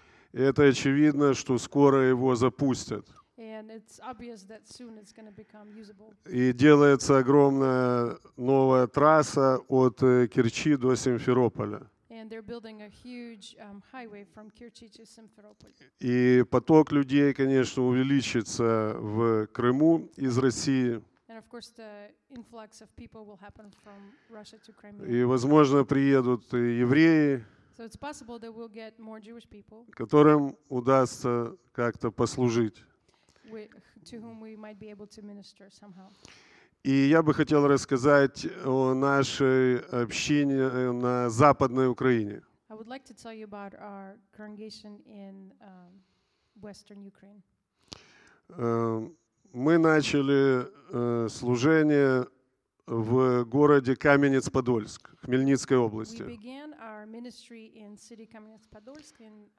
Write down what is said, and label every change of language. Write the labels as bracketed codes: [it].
[ru] И это очевидно, что скоро его запустят. [en] And it's obvious that soon it's going to become usable. [ru] И делается огромная новая трасса от Керчи до Симферополя. [en] And they're building a huge highway from Kerchi to Simferopol. [ru] И поток людей, конечно, увеличится в Крыму из России. [en] And of course the influx of people will happen from Russia to Crimea. [ru] И возможно приедут евреи. [en] So it's possible that we'll get more Jewish people. [ru] Которым удастся как-то послужить. [en] To whom we might be able to minister somehow. [ru] И я бы хотел рассказать о нашей общине на Западной Украине. [en] I would like to tell you about our congregation in Western Ukraine. [ru] Мы начали служение в городе Кам'янець-Подільськ, Хмельницкой области. [en] We began our ministry in city Kamianets-Podolsk in